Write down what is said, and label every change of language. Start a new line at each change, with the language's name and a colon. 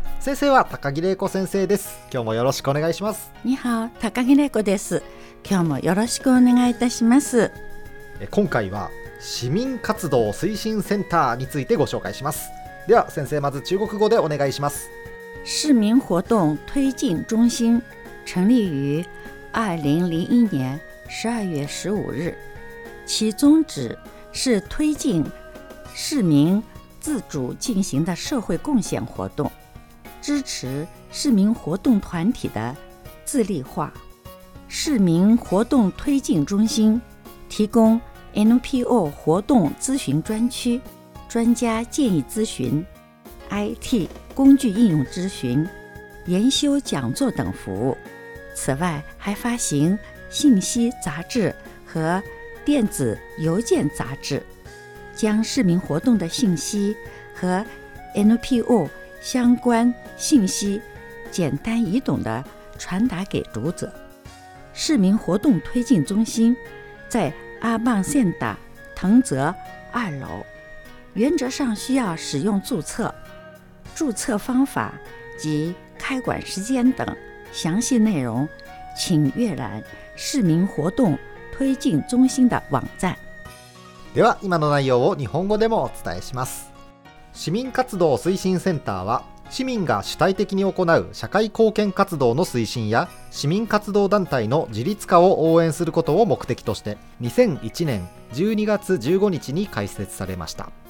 Japanese: 先生は高木玲子先生です。今日もよろしくお願いします。ニハオ、高木玲子です。今日もよろしくお願いいたします。今回は市民活動推進センターについてご紹介します。では先生、まず中国語でお願いします。
Chinese: 市民活動推進中心成立于2001年12月15日，其宗旨是推进市民自主进行的社会贡献活动，支持市民活动团体的自立化。市民活动推进中心提供 NPO 活动咨询专区、专家建议咨询、IT 工具应用咨询、研修讲座等服务。此外还发行信息杂志和电子邮件杂志，将市民活动的信息和 NPO 相关信息简单易懂地传达给读者。市民活动推进中心在阿棒县的藤泽二楼，原则上需要使用注册，注册方法及开馆时间等详细内容请阅览市民活动推进中心的网站。
Japanese: では今の内容を日本語でもお伝えします。市民活動推進センターは、市民が主体的に行う社会貢献活動の推進や市民活動団体の自立化を応援することを目的として2001年12月15日に開設されました。